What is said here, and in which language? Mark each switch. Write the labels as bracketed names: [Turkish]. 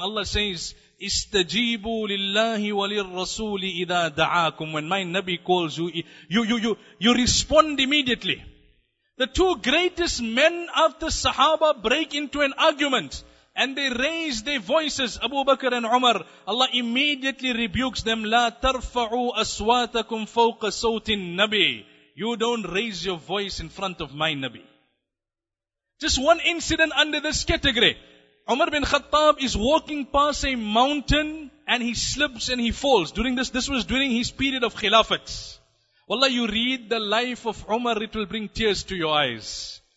[English] Allah says, [Arabic] istajibu lillahi walil rasooli idha da'akum. [English] When my Nabi calls you, you respond immediately. The two greatest men after Sahaba break into an argument and they raise their voices, Abu Bakr and Umar. Allah immediately rebukes them, [Arabic] لا ترفعوا أصواتكم فوق صوت النبي. [English] You don't raise your voice in front of my Nabi. Just one incident under this category. Umar bin Khattab is walking past a mountain and he slips and he falls. During this was during his period of Khilafat. Wallah, you read the life of Umar, it will bring tears to your eyes.